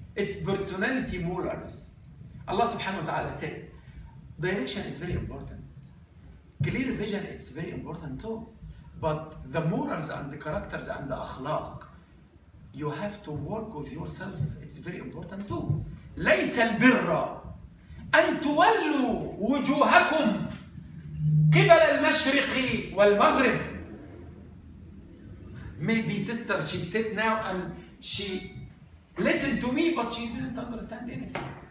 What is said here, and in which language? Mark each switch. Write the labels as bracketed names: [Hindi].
[English] It's personality morals. Allah subhanahu wa ta'ala said, direction is very important. Clear vision, it's very important too. But the morals and the characters and the akhlaq, you have to work with yourself. It's very important too. [Arabic] ليس البر أن تولوا وجوهكم قبل المشرق والمغرب. [English] Maybe sister, she sit now and she listen to me, but she didn't understand anything.